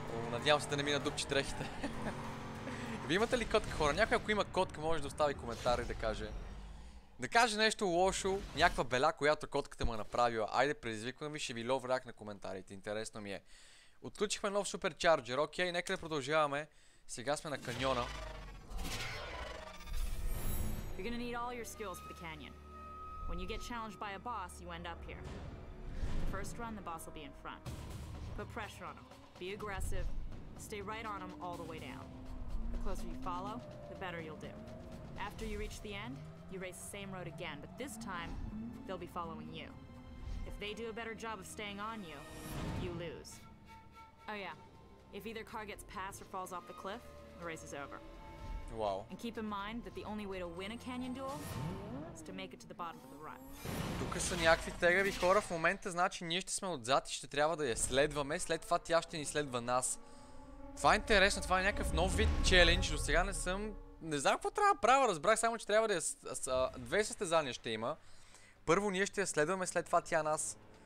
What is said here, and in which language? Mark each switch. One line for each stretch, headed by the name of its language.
Bulgarian: Надявам се да не мина дупче дрехите. Вие имате ли котка, хора? Някой, ако има котка, може да остави коментар и да каже... Да каже нещо лошо, някаква беля, която котката ме направила. Айде, предизвикваме ви, ще ви лов рак на коментарите. Интересно ми е. Отключихме нов суперчарджер. Окей, нека да продължаваме. Сега сме на каньона.
English: You're gonna need all your skills for the canyon. When you get challenged by a boss, you end up here. The first run, the boss will be in front. Put pressure on him. Be aggressive. Stay right on him all the way down. The closer you follow, the better you'll do. After you reach the end, you race the same road again, but this time, they'll be following you. If they do a better job of staying on you, you lose. Oh yeah, if either car gets passed or falls off the cliff, the race is over. Wow. And keep in mind that the only way to win a canyon duel tunnels to make it to the bottom of the run.
Bulgarian: Тук са някакви тегави хора в момента, значи ние ще сме отзад и ще трябва да я следваме, след това тя ще ни следва нас. Това е интересно, това е някакъв нов вид челлендж, до сега не съм... Не знам какво трябва да правя, разбрах само, че трябва да я... Две състезания ще има. Първо ние ще я следваме, след това тя нас.